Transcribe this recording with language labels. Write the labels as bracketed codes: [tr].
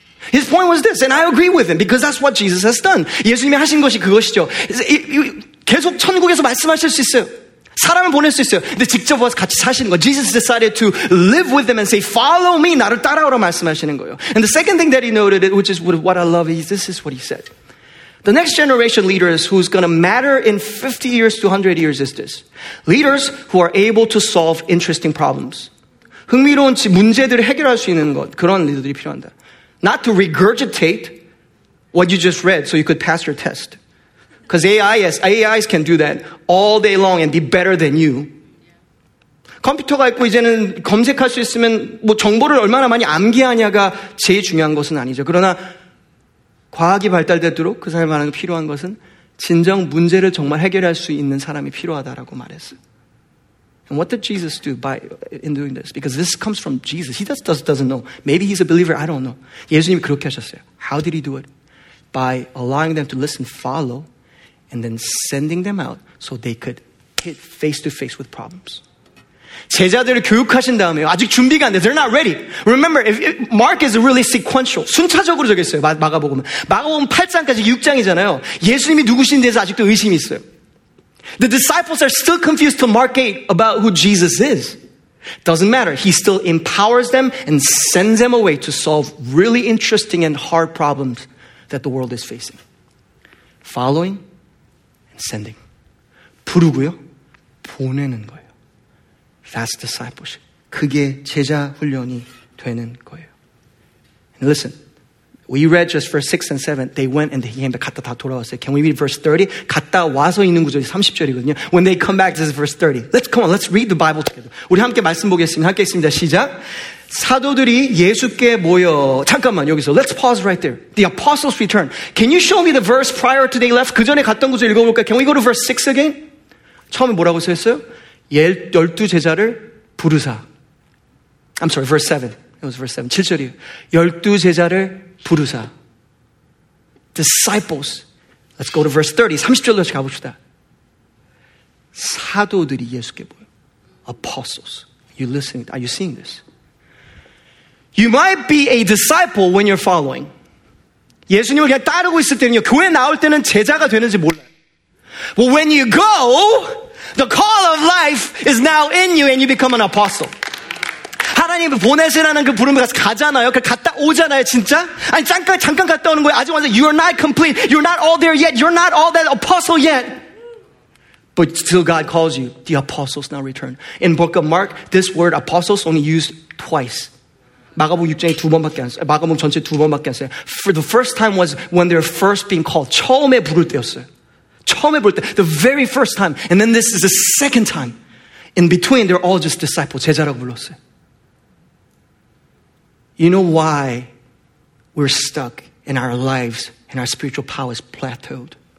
[en] His point was this, and I agree with him, because that's what Jesus has done. [ko] 예수님이 하신 것이 그것이죠. 계속 천국에서 말씀하실 수 있어요. 사람을 보낼 수 있어요. 근데 직접 와서 같이 사시는 거. [en] Jesus decided to live with them and say, follow me, [ko] 나를 따라오라 말씀하시는 거예요. [en] And the second thing that he noted, which is what I love, is this is what he said. The next generation leaders who's going to matter in 50 years to 100 years is this. Leaders who are able to solve interesting problems. [ko] 흥미로운 문제들을 해결할 수 있는 것, 그런 리더들이 필요한다. [en] Not to regurgitate what you just read so you could pass your test. Because AIs can do that all day long and be better than you. [ko] 컴퓨터가 있고 이제는 검색할 수 있으면 뭐 정보를 얼마나 많이 암기하냐가 제일 중요한 것은 아니죠. 그러나 과학이 발달되도록 그 사람 말하는 필요한 것은 진정 문제를 정말 해결할 수 있는 사람이 필요하다라고 말했어요. [en] And what did Jesus do in doing this? Because this comes from Jesus. He just doesn't know. Maybe he's a believer. I don't know. [ko] 예수님이 그렇게 하셨어요. [en] How did he do it? By allowing them to listen, follow, and then sending them out so they could hit face to face with problems. [ko] 제자들을 교육하신 다음에 아직 준비가 안 돼. [en] They're not ready. Remember, Mark is really sequential. [ko] 순차적으로 적혀 있어요. 마가복음. 마가복음 8장까지 6장이잖아요. 예수님이 누구신지에 대해서 아직도 의심이 있어요. [en] The disciples are still confused to Mark 8 about who Jesus is. Doesn't matter. He still empowers them and sends them away to solve really interesting and hard problems that the world is facing. Following and sending. [ko] 부르고요. 보내는 거예요. [en] That's discipleship. [ko] 그게 제자 훈련이 되는 거예요. [en] And listen. We read just verse 6 and 7. They went and they came back. [ko] 갔다 다 돌아왔어요. [en] Can we read verse 30? [ko] 갔다 와서 있는 구절이 30절이거든요. [en] When they come back, this is verse 30. Let's read the Bible together. [ko] 우리 함께 말씀 보겠습니다. 함께 있습니다. 시작. 사도들이 예수께 모여. 잠깐만, 여기서. [en] Let's pause right there. The apostles return. Can you show me the verse prior to they left? [ko] 그 전에 갔던 구절 읽어볼까요? [en] Can we go to verse 6 again? [ko] 처음에 뭐라고 써있어요? 열두 제자를 부르사. [en] I'm sorry, verse 7. It was verse 7. [ko] 7절이에요. 열두 제자를 부르사. [en] Disciples. Let's go to verse 30. [ko] 30절로 다시 가봅시다. 사도들이 예수께 모여. [en] Apostles. You listening? Are you seeing this? You might be a disciple when you're following. [ko] 예수님을 그냥 따르고 있을 때는요. 교회 나올 때는 제자가 되는지 몰라요. [en] But when you go, the call of life is now in you and you become an apostle. [ko] 하나님 보내시라는 그 부름에 가서 가잖아요. 그 갔다 오잖아요, 진짜? 아니, 잠깐 갔다 오는 거예요. 아직 완전, [en] you are not complete. You're not all there yet. You're not all that apostle yet. But still God calls you. The apostles now return. In book of Mark, this word apostles only used twice. [ko] 마가복음 6장에 두 번밖에 안 써요. 마가복음 전체 두 번밖에 안 써요. [en] For the first time was when they're first being called. [ko] 처음에 부를 때였어요. 처음에 부를 때. [en] The very first time. And then this is the second time. In between, they're all just disciples. [ko] 제자라고 불렀어요. [en] You know why we're stuck in our lives and our spiritual power is plateaued?